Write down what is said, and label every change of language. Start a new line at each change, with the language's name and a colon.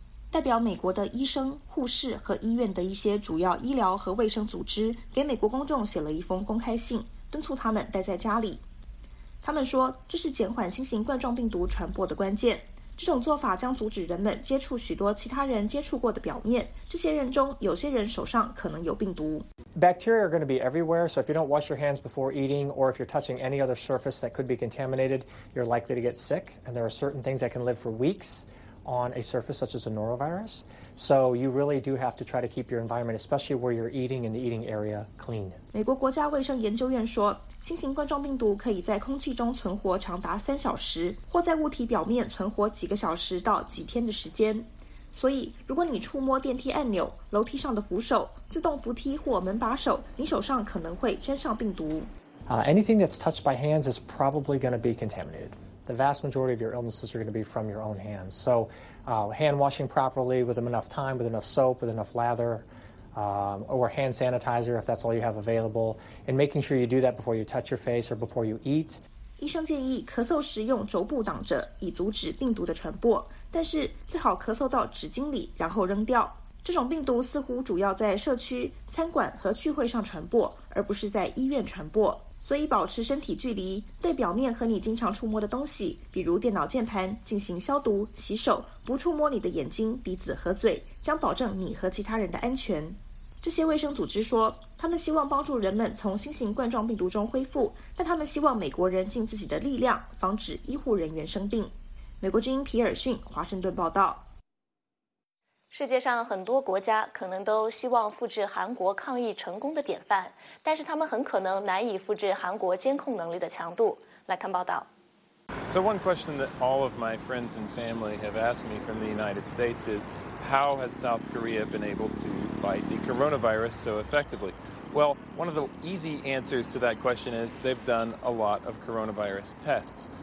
Chinese: 代表美国的医生、护士和医院的一些主要医疗和卫生组织给美国公众写了一封公开信，敦促他们待在家里。他们说，这是减缓新型冠状病毒传播的关键。这种做法将阻止人们接触许多其他人接触过的表面，这些人中有些人手上可能有病毒。
English: Bacteria are going to be everywhere, so if you don't wash your hands before eating or if you're touching any other surface that could be contaminated, you're likely to get sick. And there are certain things that can live for weeks on a surface such as a norovirus. So you really do have to try to keep your environment, especially where you're eating in the eating area, clean.
Chinese: 美国国家卫生研究院说，新型冠状病毒可以在空气中存活长达三小时，或在物体表面存活几个小时到几天的时间。所以，如果你触摸电梯按钮、楼梯上的扶手、自动扶梯或门把手，你手上可能会沾上病毒。
English: Anything that's touched by hands is probably going to be contaminated. The vast majority of your illnesses are going to be from your own hands. So, hand washing properly with enough time, with enough soap, with enough lather. Or hand sanitizer if that's all you have available, and making sure you do that before you touch your face or before you eat.
Chinese: 医生建议咳嗽时用肘部挡着，以阻止病毒的传播，但是最好咳嗽到纸巾里然后扔掉。这种病毒似乎主要在社区、餐馆和聚会上传播，而不是在医院传播。所以保持身体距离，对表面和你经常触摸的东西，比如电脑键盘，进行消毒、洗手，不触摸你的眼睛、鼻子和嘴，将保证你和其他人的安全。这些卫生组织说，他们希望帮助人们从新型冠状病毒中恢复，但他们希望美国人尽自己的力量，防止医护人员生病。美国之音皮尔逊，华盛顿报道。世界上很多国家可能都希望复制韩国抗疫成功的典范，但是他们很可能难以复制韩国监控能力的强度。来看报道。
English: So one question that all of my friends and family have asked me from the United States is, how has South Korea been able to fight the coronavirus so effectively? Well, one of the easy answers to that question is they've done a lot of coronavirus tests.